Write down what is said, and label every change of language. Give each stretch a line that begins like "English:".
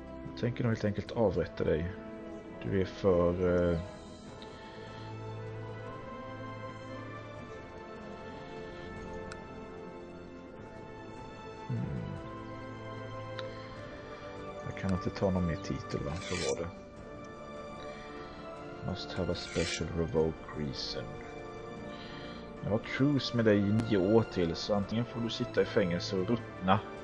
Swedish: Jag tänker nog helt enkelt avrätta dig. Du är för... Jag kan inte ta någon mer titel, va? Så var det.
English: Must have a special revoke reason.
Swedish: Jag har truce med dig 9 år till, så antingen får du sitta i fängelse och ruttna.